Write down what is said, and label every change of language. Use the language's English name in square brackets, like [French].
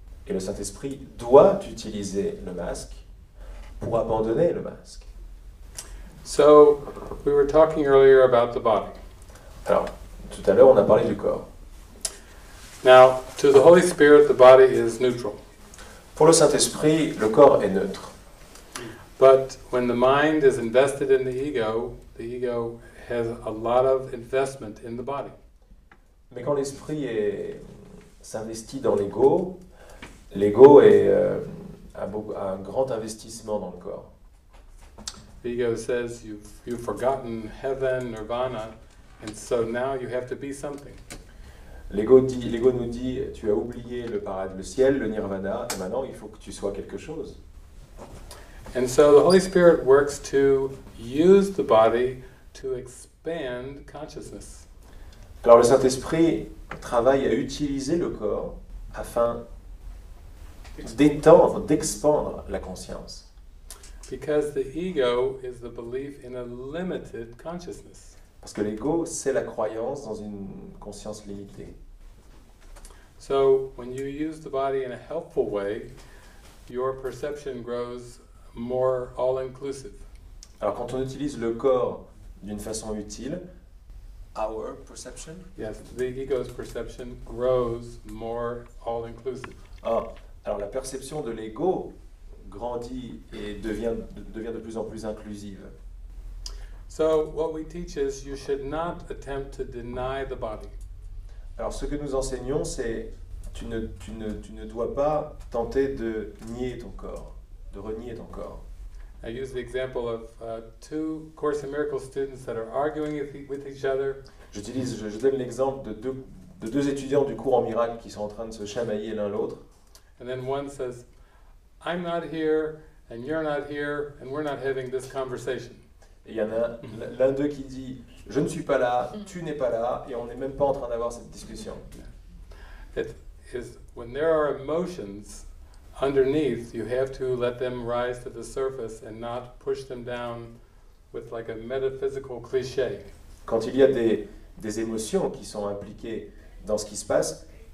[French] Et le Saint-Esprit doit utiliser le masque pour abandonner le masque. [English] So, we were talking earlier about the body. [French] Alors, tout à l'heure, on a parlé du corps. [English] Now, to the Holy Spirit, the body is neutral. [French] Pour le Saint-Esprit, le corps est neutre. [English] But when the mind is invested in the ego has a lot of investment in the body. [French] Mais quand l'esprit s'investit dans l'ego, l'ego a un grand investissement dans le corps. [English] The ego says you've forgotten heaven, nirvana, and so now you have to be something. [French] L'ego nous dit, tu as oublié le paradis, le ciel, le nirvana, et maintenant il faut que tu sois quelque chose. [English] And so the Holy Spirit works to use the body to expand consciousness. [French] Alors le Saint-Esprit travaille à utiliser le corps afin d'étendre, d'expandre la conscience. [English] Because the ego is the belief in a limited consciousness. [French] Parce que l'ego, c'est la croyance dans une conscience limitée. [English] So, when you use the body in a helpful way, your perception grows more all-inclusive. [French] Alors, quand on utilise le corps d'une façon utile, [English] our perception? Yes, the ego's perception grows more all-inclusive. [French] Alors la perception de l'ego grandit et devient de plus en plus inclusive. [English] So what we teach is you should not attempt to deny the body. [French] Alors ce que nous enseignons c'est tu ne dois pas tenter de nier ton corps, de renier ton corps. [English] I use the example of two Course in Miracles students that are arguing with each other. [French] J'utilise je donne l'exemple de deux de deux étudiants du cours en miracle qui sont en train de se chamailler l'un l'autre. [English] And then one says, I'm not here and you're not here and we're not having this conversation. [French] Et il y en a l'un d'eux qui dit, je ne suis pas là, tu n'es pas là et on n'est même pas en train d'avoir cette discussion. [English] It is when there are emotions underneath, you have to let them rise to the surface and not push them down with like a metaphysical cliché. [French] Quand il y a des émotions qui sont impliquées dans ce qui se passe.